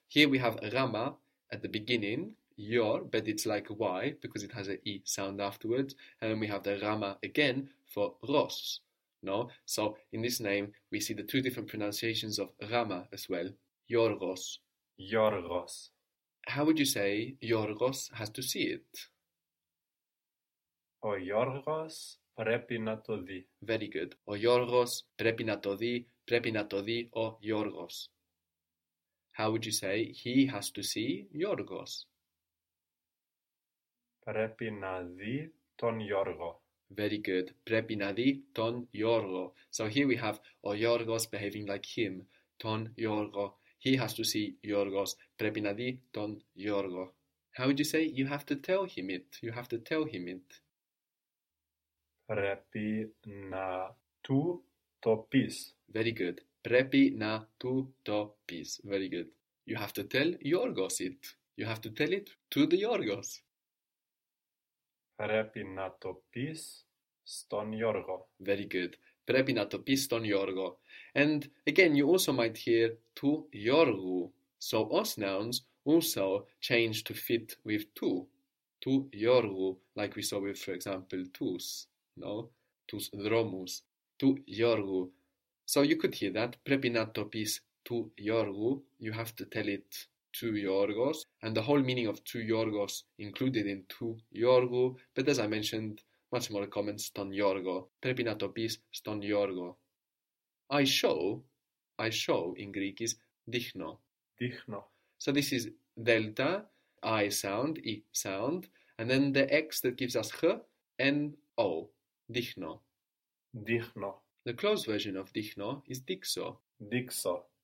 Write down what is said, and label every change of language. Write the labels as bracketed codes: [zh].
[en] Here we have Rama at the beginning, Yor, but it's like Y because it has an E sound afterwards. And then we have the Rama again for Ros. No? So in this name, we see the two different pronunciations of Rama as well. Yorgos. Yorgos. How would you say Yorgos has to see it? [el] Ο Γιώργος πρέπει να το δει. [en] Very good. [el] Ο Γιώργος πρέπει να το δει. Πρέπει να το δει ο Γιώργος. [en] How would you say he has to see Γιώργος? [el] Πρέπει να δει τον Γιώργο. [en] Very good. [el] Πρέπει να δει τον Γιώργο. [en] So here we have ο Γιώργος behaving like him. [el] Τον Γιώργο. [en] He has to see Γιώργος. [el] Πρέπει να δει τον Γιώργο. [en] How would you say you have to tell him it? You have to tell him it. [el] Πρέπει να του το πεις. [en] Very good. [el] Πρέπει να του το πεις. Very good. [en] You have to tell Yorgos it. You have to tell it to the Yorgos. [el] Πρέπει να το πεις στον Γιώργο. [en] Very good. [el] Πρέπει να το πεις στον Γιώργο. [en] And again, you also might hear του Γιώργου. So os nouns also change to fit with του. Του Γιώργου, like we saw with, for example, τους. No? [el] Τους δρόμους. Του Γιώργου. [en] So you could hear that. [el] Πρέπει να το πεις του Γιώργου. [en] You have to tell it to Γιώργος. And the whole meaning of to Γιώργος included in to Γιώργου. But as I mentioned, much more common, [el] στον Γιώργο. Πρέπει να το πεις στον Γιώργο. [en] I show in Greek is δείχνω. [el] Δείχνω. [en] So this is delta, I sound, E sound. And then the X that gives us H, N, O. Δείχνω. [el] Δείχνω. [en] The closed version of δείχνω is δείξω. [el] Δείξω.